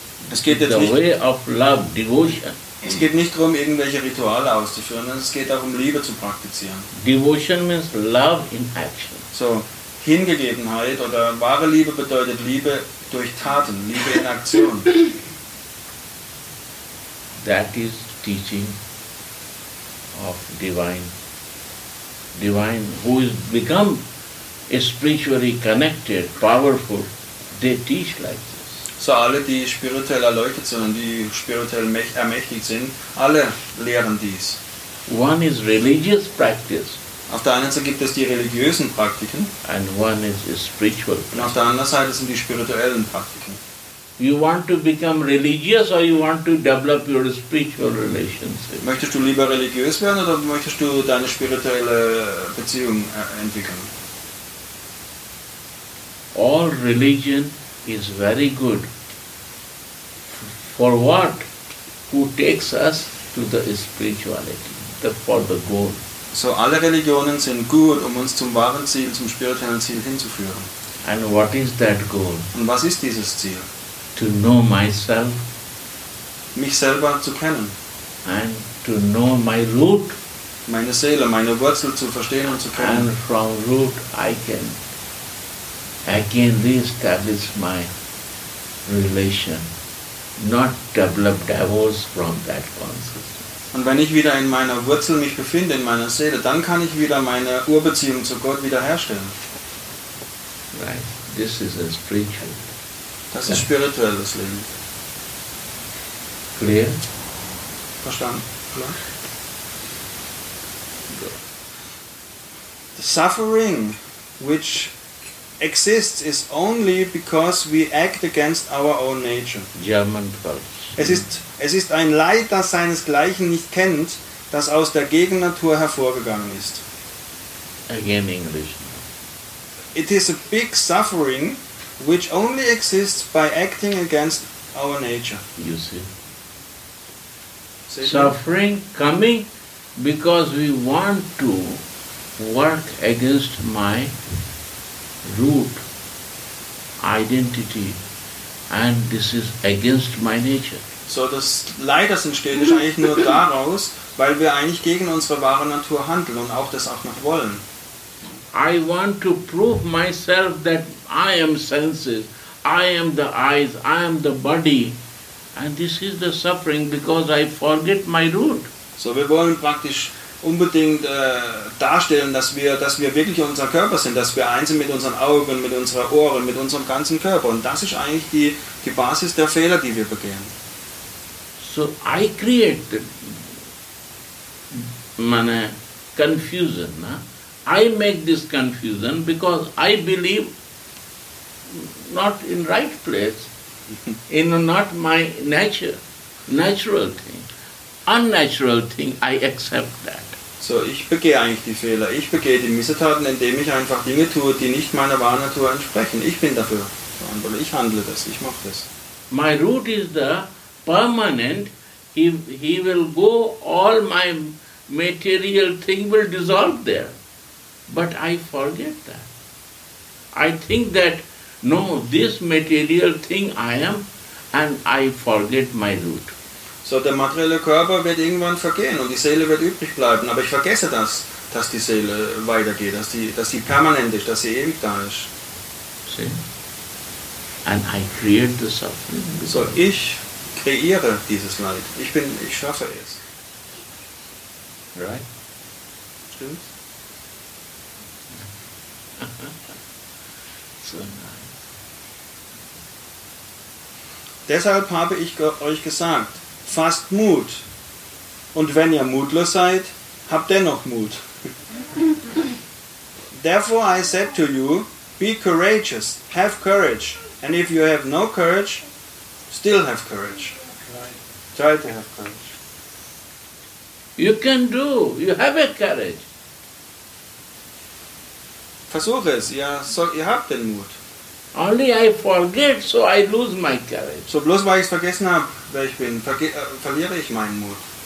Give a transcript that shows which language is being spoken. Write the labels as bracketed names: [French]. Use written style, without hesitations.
[German] Es geht jetzt [English] the [German] nicht [English] way of love, devotion. [German] Es geht nicht darum, irgendwelche Rituale auszuführen, sondern es geht darum, Liebe zu praktizieren. [English] Devotion means love in action. [German] So, Hingegebenheit oder wahre Liebe bedeutet Liebe durch Taten, Liebe in Aktion. [English] That is teaching of divine. Divine, who is become spiritually connected, powerful, they teach like this. [German] So alle, die spirituell erleuchtet sind und die spirituell ermächtigt sind, alle lehren dies. [English] One is religious practice. [German] Auf der einen Seite gibt es die religiösen Praktiken. [English] And one is spiritual. [German] Und auf der anderen Seite sind die spirituellen Praktiken. [English] You want to become religious or you want to develop your spiritual relationship? [German] Möchtest du lieber religiös werden oder möchtest du deine spirituelle Beziehung entwickeln? [English] All religion is very good. For what? Who takes us to the spirituality? For the goal. [German] So alle Religionen sind gut, um uns zum wahren Ziel, zum spirituellen Ziel hinzuführen. [English] And what is that goal? [German] Und was ist dieses Ziel? [English] To know myself. [German] Mich selber zu kennen. [English] And to know my root. [German] Meine Seele, meine Wurzel zu verstehen und zu kennen. [English] And from root I can again re-establish my relation, not develop divorce from that consciousness. [German] Und wenn ich wieder in meiner Wurzel mich befinde, in meiner Seele, dann kann ich wieder meine Urbeziehung zu Gott wiederherstellen. [English] Right. This is a spiritual. [German] Das ist spirituelles Leben. [English] Clear? [German] Verstanden? Klar? [English] The suffering which exists is only because we act against our own nature. German [German] Deutsch. Es ist ein Leid, das seinesgleichen nicht kennt, das aus der Gegennatur hervorgegangen ist. [English] Again English. It is a big suffering which only exists by acting against our nature. You see. Suffering coming because we want to work against my root identity, and this is against my nature. [German] So das Leid, das entsteht, ist eigentlich nur daraus, weil wir eigentlich gegen unsere wahre Natur handeln und auch das auch noch wollen. [English] I want to prove myself that I am senses, I am the eyes, I am the body, and this is the suffering because I forget my root. [German] So wir wollen praktisch unbedingt darstellen, dass wir wirklich unser Körper sind, dass wir eins sind mit unseren Augen, mit unseren Ohren, mit unserem ganzen Körper. Und das ist eigentlich die Basis der Fehler, die wir begehen. [English] So I create [German] meine [English] confusion. Ne? I make this confusion because I believe not in right place, in not my natural thing. Unnatural thing, I accept that. [German] So, ich begehe eigentlich die Fehler. Ich begehe die Missetaten, indem ich einfach Dinge tue, die nicht meiner wahren Natur entsprechen. Ich bin dafür verantwortlich. Ich handle das. Ich mache das. [English] My root is the permanent. He will go, all my material thing will dissolve there. But I forget that. I think that, no, this material thing I am, and I forget my root. [German] So, der materielle Körper wird irgendwann vergehen und die Seele wird übrig bleiben. Aber ich vergesse das, dass die Seele weitergeht, dass sie permanent ist, dass sie ewig da ist. [English] See? And I create the suffering. [German] So, ich kreiere dieses Leid. Ich schaffe es. [English] Right? [German] Stimmt's? [English] So nice. [German] Deshalb habe ich euch gesagt, fasst Mut. Und wenn ihr mutlos seid, habt dennoch Mut. [English] Therefore I said to you, be courageous, have courage. And if you have no courage, still have courage. Try to have courage. You can do, you have a courage. [German] Versuche es, ja, so, ihr habt den Mut. [English] Only I forget, so I lose my courage. [German] So bloß weil ich es vergessen habe, wer ich bin, verliere ich meinen Mut.